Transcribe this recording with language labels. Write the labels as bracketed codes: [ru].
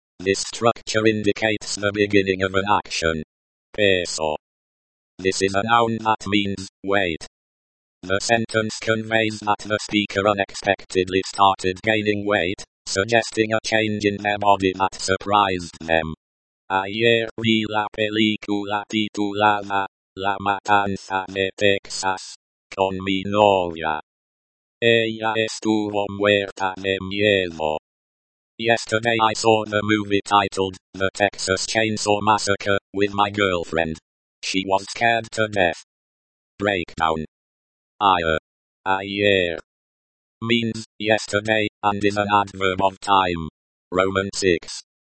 [en] This structure indicates the beginning of an action. Peso. This is a noun that means weight. The sentence conveys that the speaker unexpectedly started gaining weight, suggesting a change in their body that surprised them. [es] Ayer vi la película titulada La Matanza de Texas con mi novia. Ella estuvo muerta de miedo. [en] Yesterday I saw the movie titled The Texas Chainsaw Massacre with my girlfriend. She was scared to death. Breakdown. Ayer means yesterday and is an adverb of time. Roman 6.